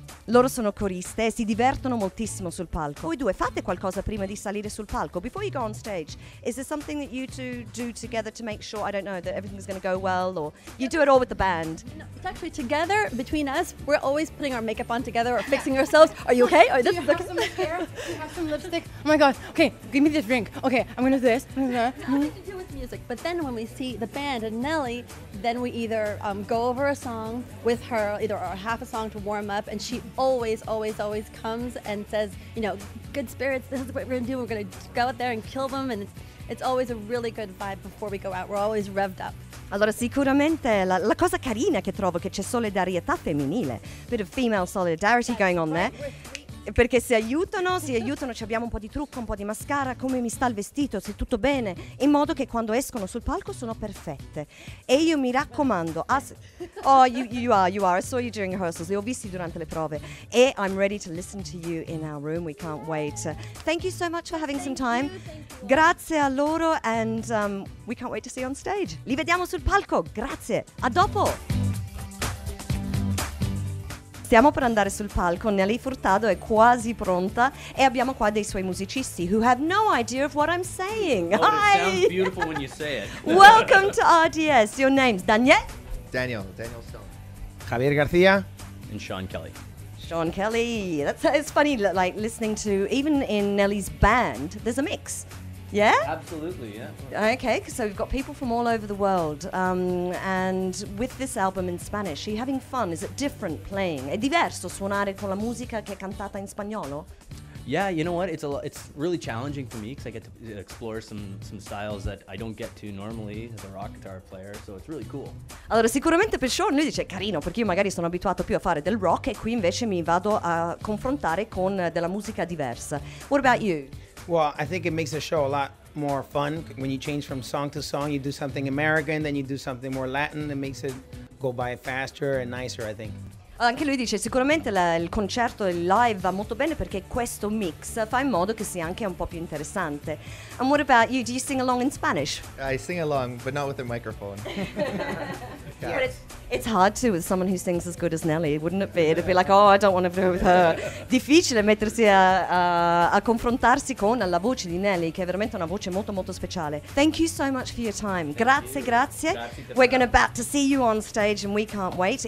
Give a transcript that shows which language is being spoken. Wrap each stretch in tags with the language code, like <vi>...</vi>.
<it>Loro sono coriste e si divertono moltissimo sul palco. Voi due fate qualcosa prima di salire sul palco?</it> <en>Before you go on stage, is there something that you two do together to make sure, I don't know, that everything's going to go well, or you do it all with the band? No, it's actually together, between us, we're always putting our makeup on together or fixing ourselves. Are you okay? Do you have some hair? Do you have some lipstick? Oh my god, okay, give me this drink. Okay, I'm going to do this. Music, but then when we see the band and Nelly, then we either go over a song with her, either or half a song to warm up, and she always comes and says, you know, good spirits, this is what we're gonna do, we're gonna go out there and kill them, and it's always a really good vibe before we go out, we're always revved up.</en> <it>Allora sicuramente la cosa carina che trovo che c'è solidarietà femminile,</it> <en>bit of female solidarity That's going on right. There.</en> <it>Perché si aiutano, ci abbiamo un po' di trucco, un po' di mascara, come mi sta il vestito, se tutto bene, in modo che quando escono sul palco sono perfette. E io mi raccomando,</it> <en>you are, I saw you during rehearsals,</en> <it>li ho visti durante le prove,</it> <en>e I'm ready to listen to you in our room, we can't wait. Thank you so much for having some time.</en> <it>Grazie a loro</it> <en>and we can't wait to see you on stage.</en> <it>Li vediamo sul palco, grazie, a dopo! Stiamo per andare sul palco, Nelly Furtado è quasi pronta e abbiamo qua dei suoi musicisti</it> <en>who have no idea of what I'm saying. Oh, hi! It sounds beautiful when you say it. Welcome to RDS. Your names, Daniel? Daniel Stone. Javier García. And Sean Kelly. Sean Kelly. It's funny, like listening to, even in Nelly's band, there's a mix. Yeah? Absolutely, yeah. Okay, so we've got people from all over the world. And with this album in Spanish, are you having fun? Is it different playing?</en> <it>È diverso suonare con la musica che è cantata in spagnolo?</it> <en>Yeah, you know what? It's really challenging for me because I get to explore some styles that I don't get to normally as a rock guitar player, so it's really cool.</en> <it>Allora, sicuramente per Sean lui dice carino, perché io magari sono abituato più a fare del rock e qui invece mi vado a confrontare con della musica diversa.</it> <en>What about you? Well, I think it makes the show a lot more fun when you change from song to song. You do something American, then you do something more Latin. It makes it go by faster and nicer, I think.</en> <it>Anche lui dice sicuramente il concerto, il live va molto bene perché questo mix fa in modo che sia anche un po' più interessante.</it> <en>And what about you? Do you sing along in Spanish? I sing along, but not with a microphone. It's hard too with someone who sings as good as Nelly, wouldn't it be? It'd be like, oh, I don't want to do with her.</en> <it>Difficile mettersi a confrontarsi con la voce di Nelly, che è veramente una voce molto, molto speciale.</it> <en>Thank you so much for your time. Grazie. We're going about to see you on stage and we can't wait.</en>